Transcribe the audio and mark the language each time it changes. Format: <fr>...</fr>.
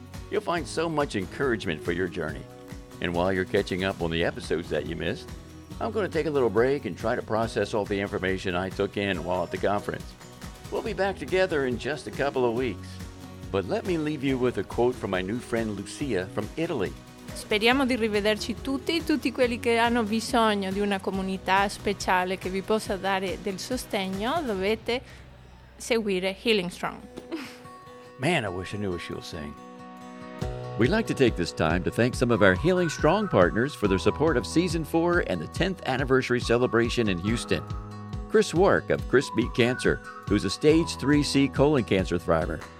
<en>You'll find so much encouragement for your journey. And while you're catching up on the episodes that you missed, I'm going to take a little break and try to process all the information I took in while at the conference. We'll be back together in just a couple of weeks. But let me leave you with a quote from my new friend Lucia from Italy.</en> <it>Speriamo di rivederci tutti, tutti quelli che hanno bisogno di una comunità speciale che vi possa dare del sostegno, dovete seguire Healing Strong.</it> <en>Man, I wish I knew what she was saying. We'd like to take this time to thank some of our Healing Strong partners for their support of Season 4 and the 10th Anniversary Celebration in Houston. Chris Wark of Chris Beat Cancer, who's a Stage 3C colon cancer thriver.</en>